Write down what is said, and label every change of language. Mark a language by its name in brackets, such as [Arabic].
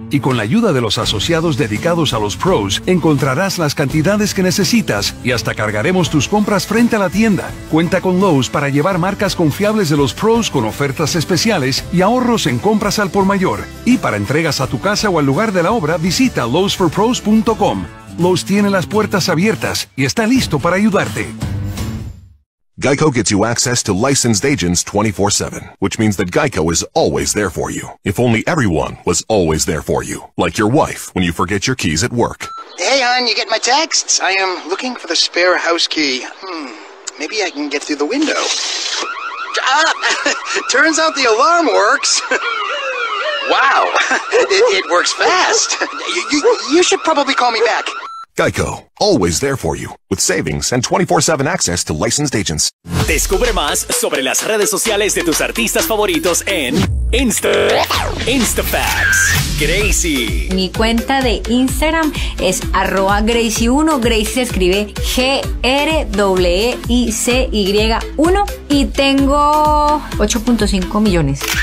[Spanish] Y con la ayuda de los asociados dedicados a los pros, encontrarás las cantidades que necesitas y hasta cargaremos tus compras frente a la tienda. Cuenta con Lowe's para llevar marcas confiables de los pros con ofertas especiales y ahorros en compras al por mayor. Y para entregas a tu casa o al lugar de la obra, visita lowesforpros.com. Lowe's tiene las puertas abiertas y está listo para ayudarte. [English] GEICO gets you access to licensed agents 24/7, which means that GEICO is always there for you. If only everyone was always there for you, like your wife when you forget your keys at work. Hey, hon, you get my texts? I am looking for the spare house key. Maybe I can get through the window. Turns out the alarm works. Wow, it works fast. You should probably call me back. GEICO, always there for you, with savings and 24/7 access to licensed agents. [Spanish] Descubre más sobre las redes sociales de tus artistas favoritos en InstaFacts. Gracie. Mi cuenta de Instagram es @Gracie1. Gracie se escribe GRECY1 y tengo 8.5 millones.